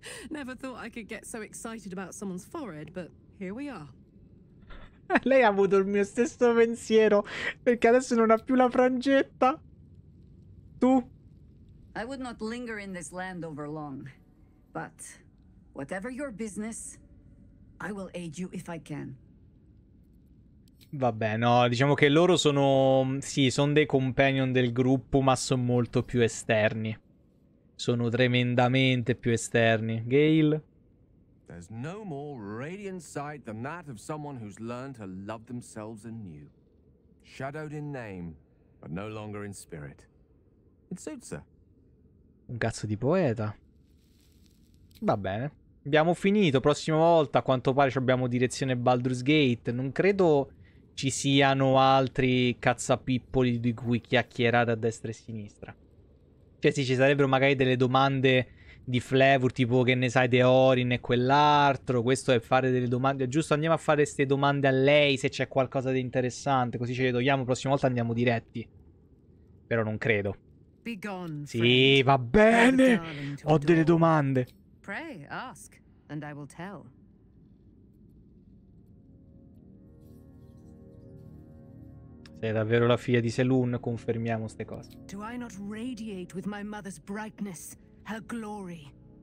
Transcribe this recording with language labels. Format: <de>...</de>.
<en>Never thought I could get so excited about someone's forehead, but here we are.</en> <it>Lei ha avuto il mio stesso pensiero, perché adesso non ha più la frangetta. Tu?</it> <en>I would not linger in this land over long, but whatever your business, I will aid you if I can.</en> <it>Vabbè, no, diciamo che loro sono, sì, sono dei companion del gruppo, ma sono molto più esterni. Sono tremendamente più esterni. Gale.</it> <en>There's no more radiant sight than that of someone who's learned to love themselves anew. Shadowed in name, but no longer in spirit. It suits her.</en> <it>Un cazzo di poeta. Va bene. Abbiamo finito. Prossima volta, a quanto pare, abbiamo direzione Baldur's Gate. Non credo ci siano altri cazzapippoli di cui chiacchierare a destra e a sinistra. Cioè sì, ci sarebbero magari delle domande di Flevur, tipo che ne sai di Orin e quell'altro. Questo è fare delle domande, giusto? Andiamo a fare queste domande a lei se c'è qualcosa di interessante, così ce le togliamo, prossima volta andiamo diretti. Però non credo.</it> <en>Be gone,</en> <it>sì, va bene, ho delle domande.</it> <en>Pray, ask, and I will tell.</en> <it>Sei davvero la figlia di Selune, confermiamo ste cose.</it> <en>Do I not radiate with my mother's brightness, her glory?</en>